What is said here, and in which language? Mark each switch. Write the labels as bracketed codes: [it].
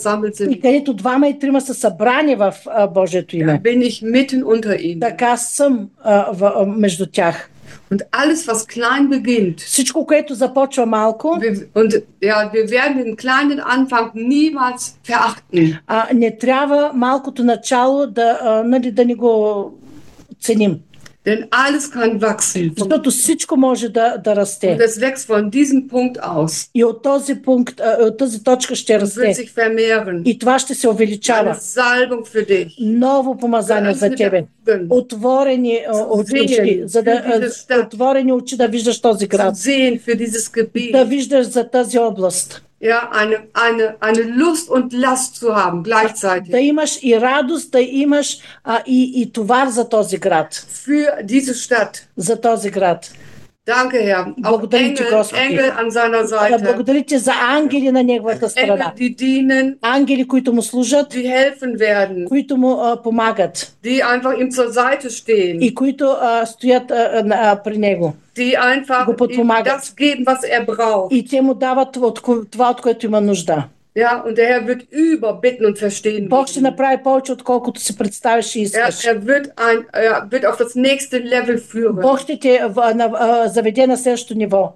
[bg] И където двама и трима са събрани в Божието име, така съм между тях. [de] Und alles, was klein beginnt, [bg] всичко, което започва малко, [de] wir werden den kleinen Anfang niemals verachten. [bg] Не трябва малкото начало да ни го ценим. [de] Denn alles kann wachsen. [bg] Защото всичко може да расте. [de] Und es wächst von diesem Punkt aus. [bg] И от този пункт, от тази точка ще расте. [de] Wird sich vermehren. [bg] И това ще се увеличава. [de] Eine Salbung für dich. [bg] Ново помазание за тебе. Отворени очи, за да отворени очи да виждаш този град. [de] Sehen für dieses Gebiet. [bg] Да виждаш за тази област. [de] Ja, eine Lust und Last zu haben gleichzeitig. [bg] Да имаш и радост, да имаш и товар за този град. [de] Für diese Stadt. [bg] За този град. [de] Danke, Herr. [bg] Благодаря ти, Господи. [de] Engel an seiner Seite. [bg] Благодаря ти за ангели на неговата страна. [de] Engel, die dienen, [bg] ангели, които му служат. [de] Die helfen werden, [bg] които му помагат. [de] Die einfach ihm zur Seite stehen, [bg] и които стоят при него. [de] Die einfach [bg] го подпомагат. [de] Das geben, was er braucht. [bg] И те му дават това, от което има нужда. [de] Ja, und der Herr wird überbitten und verstehen. [bg] Бог ще направи повече, отколкото си представиш и искаш. [de] Wird auf das nächste Level führen. [bg] Бог ще те заведе на следващото ниво.